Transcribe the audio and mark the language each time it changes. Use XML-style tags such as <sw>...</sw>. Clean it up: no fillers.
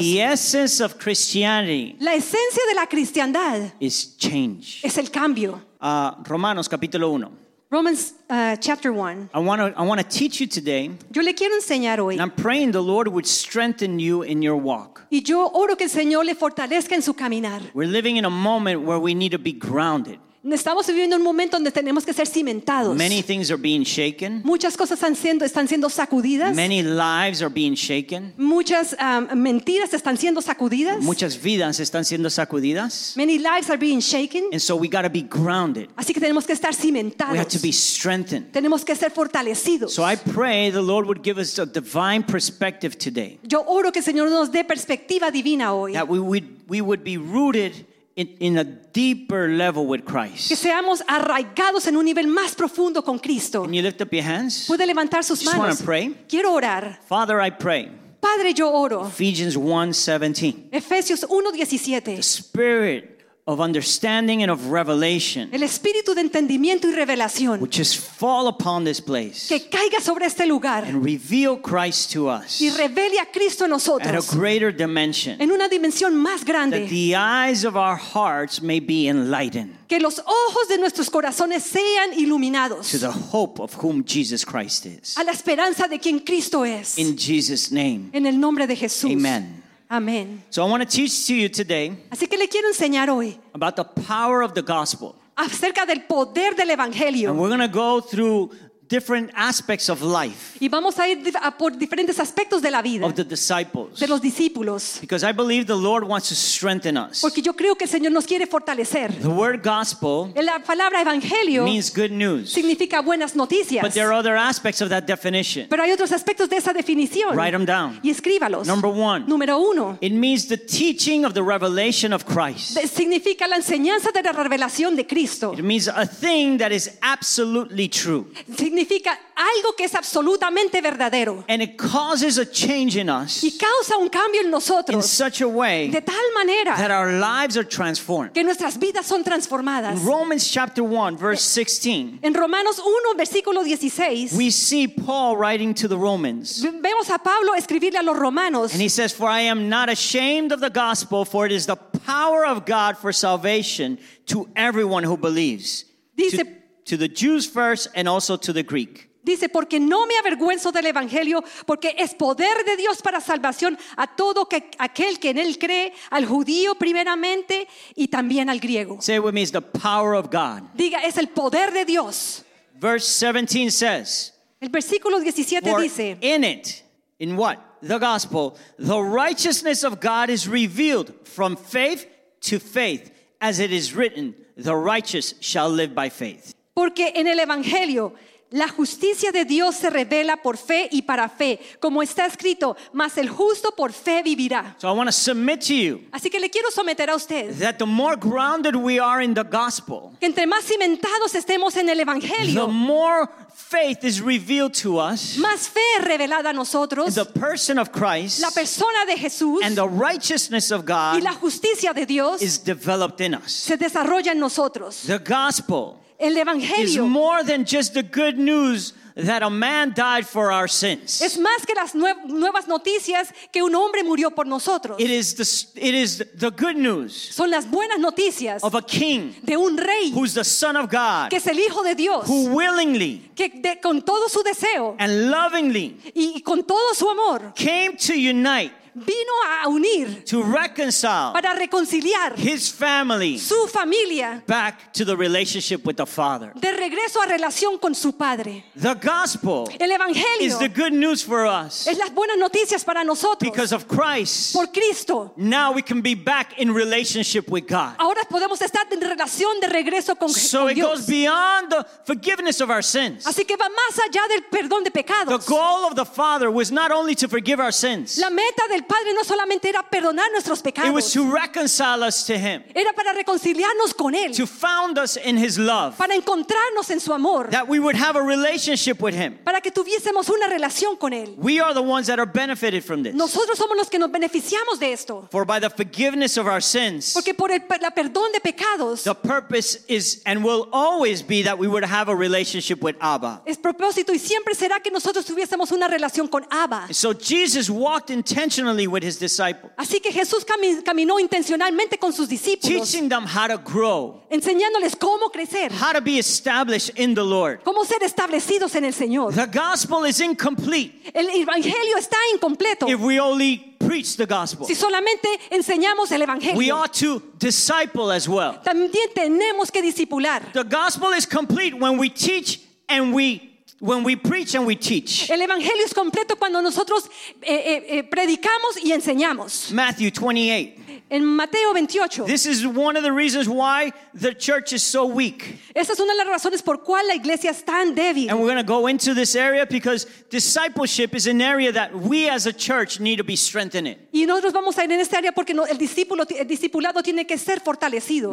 <en>The essence of Christianity.</en> <es>La esencia de la cristiandad</es> <en>is change.</en> <es>Es el cambio. Romanos capítulo 1.</es> <en>Romans chapter 1. I want to teach you today.</en> <es>Yo le quiero enseñar hoy.</es> <en>And I'm praying the Lord would strengthen you in your walk.</en> <es>Y yo oro que el Señor le fortalezca en su caminar.</es> <en>We're living in a moment where we need to be grounded.</en> <es>Estamos viviendo un momento donde tenemos que ser cimentados.</es> <en>Many things are being shaken.</en> <es>Muchas cosas están siendo sacudidas.</es> <en>Many lives are being shaken.</en> <es>Muchas mentiras están siendo sacudidas. Muchas vidas están siendo sacudidas.</es> <en>Many lives are being shaken. And so we got to be grounded.</en> <es>Así que tenemos que estar cimentados.</es> <en>We have to be strengthened.</en> <es>Tenemos que ser fortalecidos.</es> <en>So I pray the Lord would give us a divine perspective today.</en> <es>Yo oro que el Señor nos dé perspectiva divina hoy.</es> <en>That we would be rooted in a deeper level with Christ.</en> <es>Que seamos arraigados en un nivel más profundo con Cristo.</es> <en>Can you lift up your hands?</en> <es>¿Puede levantar sus manos?</es> <en>Just want to pray.</en> <es>Quiero orar.</es> <en>Father, I pray.</en> <es>Padre, yo oro.</es> <en>Ephesians 1:17.</en> <es>Efesios 1:17.</es> <en>The Spirit of understanding and of revelation.</en> <es>El espíritu de entendimiento y revelación.</es> <en>Which is fall upon this place.</en> <es>Que caiga sobre este lugar.</es> <en>And reveal Christ to us.</en> <es>Y revele a Cristo a nosotros.</es> <en>At a greater dimension.</en> <es>En una dimensión más grande.</es> <en>That the eyes of our hearts may be enlightened.</en> <es>Que los ojos de nuestros corazones sean iluminados.</es> <en>To the hope of whom Jesus Christ is.</en> <es>A la esperanza de quien Cristo es.</es> <en>In Jesus' name.</en> <es>En el nombre de Jesús.</es> <en>Amen.</en> <es>Amen.</es> <en>So I want to teach to you today.</en> <es>Así que le quiero enseñar hoy.</es> <en>About the power of the gospel.</en> <es>Acerca del poder del evangelio.</es> <en>And we're going to go through different aspects of life.</en> <es>Y vamos a ir por diferentes aspectos de la vida.</es> <en>Of the disciples.</en> <es>De los discípulos.</es> <en>Because I believe the Lord wants to strengthen us.</en> <es>Porque yo creo que el Señor nos quiere fortalecer.</es> <en>The word gospel.</en> <es>La palabra evangelio.</es> <en>Means good news.</en> <es>Significa buenas noticias.</es> <en>But there are other aspects of that definition.</en> <es>Pero hay otros aspectos de esa definición.</es> <en>Write them down.</en> <es>Y escríbalos.</es> <en>Number one.</en> <es>Número uno.</es> <en>It means the teaching of the revelation of Christ.</en> <es>Significa la enseñanza de la revelación de Cristo.</es> <en>It means a thing that is absolutely true.</en> <es>Significa algo que es absolutamente verdadero.</es> <en>And it causes a change in us.</en> <es>Y causa un cambio en nosotros.</es> <en>In such a way.</en> <es>De tal manera.</es> <en>That our lives are transformed.</en> <es>Que nuestras vidas son transformadas.</es> <en>In Romans chapter 1 verse 16.</en> <es>En Romanos 1 versículo 16.</es> <en>We see Paul writing to the Romans.</en> <es>Vemos a Pablo escribirle a los romanos.</es> <en>And he says, for I am not ashamed of the gospel, for it is the power of God for salvation to everyone who believes.</en> <es>Dice,</es> <en>to the Jews first and also to the Greek.</en> <es>Dice, porque no me avergüenzo del evangelio, porque es poder de Dios para salvación a todo aquel que en él cree, al judío primeramente y también al griego.</es> <en>Say it with me, it's the power of God.</en> <es>Diga, es el poder de Dios.</es> <en>Verse 17 says.</en> <es>El versículo 17 dice.</es> <en>In it, in what? The gospel, the righteousness of God is revealed from faith to faith, as it is written, the righteous shall live by faith.</en> <es>Porque en el evangelio La justicia de Dios se revela por fe y para fe, como está escrito, mas el justo por fe vivirá.</es> <en>So I want to submit to you.</en> <es>Así que le quiero someter a usted.</es> <en>That the more grounded we are in the gospel.</en> <es>Que entre más cimentados estemos en el evangelio.</es> <en>The more faith is revealed to us.</en> <es>Más fe revelada a nosotros.</es> <en>The person of Christ.</en> <es>La persona de Jesús.</es> <en>And the righteousness of God.</en> <es>Y la justicia de Dios.</es> <en>Is developed in us.</en> <es>Se desarrolla en nosotros.</es> <en>The gospel.</en> <es>El evangelio</es> <en>is more than just the good news that a man died for our sins.</en> <es>Es más que las nuevas noticias que un hombre murió por nosotros.</es> <en>It is the good news.</en> <es>Son las buenas noticias</es> <en>of a king,</en> <es>de un rey,</es> <en>who's the son of God,</en> <es>que es el hijo de Dios,</es> <en>who willingly,</en> <es>que con todo su deseo,</es> <en>and lovingly,</en> <es>y con todo su amor,</es> <en>came to unite.</en> <es>Vino a unir,</es> <en>to reconcile,</en> <es>para reconciliar</es> <en>his family,</en> <es>su familia,</es> <en>back to the relationship with the Father.</en> <es>De regreso a relación con su padre.</es> <en>The gospel,</en> <es>el evangelio,</es> <en>is the good news for us.</en> <es>Es las buenas noticias para nosotros.</es> <en>Because of Christ,</en> <es>por Cristo,</es> <en>now we can be back in relationship with God.</en> <es>Ahora podemos estar en relación de regreso con Dios.</es> <en>So it goes beyond the forgiveness of our sins.</en> <es>Así que va más allá del perdón de pecados.</es> <en>The goal of the Father was not only to forgive our sins.</en> <es>La meta del Padre no solamente era perdonar nuestros pecados.</es> <en>It was to reconcile us to him.</en> <es>Era para reconciliarnos con él.</es> <en>To found us in his love.</en> <es>Para encontrarnos en su amor.</es> <en>That we would have a relationship with him.</en> <es>Para que tuviésemos una relación con él.</es> <en>We are the ones that are benefited from this.</en> <es>Nosotros somos los que nos beneficiamos de esto.</es> <en>For by the forgiveness of our sins.</en> <es>Porque por el perdón de pecados.</es> <en>The purpose is and will always be that we would have a relationship with Abba.</en> <es>Es propósito y siempre será que nosotros tuviésemos una relación con Abba.</es> <en>So Jesus walked in intentionally with his disciples.</en> <es>Así que Jesús caminó intencionalmente con sus discípulos.</es> <en>Teaching them how to grow.</en> <es>Enseñándoles cómo crecer.</es> <en>How to be established in the Lord.</en> <es>Cómo ser establecidos en el Señor.</es> <en>The gospel is incomplete.</en> <es>El evangelio está incompleto.</es> <en>If we only preach the gospel.</en> <es>Si solamente enseñamos el evangelio.</es> <en>We ought to disciple as well.</en> <es>También tenemos que discipular.</es> <en>The gospel is complete when we teach and we when we preach and we teach.</en> <es>El evangelio es completo cuando nosotros predicamos y enseñamos.</es> <en>Matthew 28.</en> <es>En Mateo 28.</es> <en>This is one of the reasons why the church is so weak.</en> <es>Esta es una de las razones por cual la iglesia es tan débil.</es> <en>And we're going to go into this area because discipleship is an area that we as a church need to be strengthened.</en> <es>Y nosotros vamos a ir en esta área porque el discipulado tiene que ser fortalecido.</es>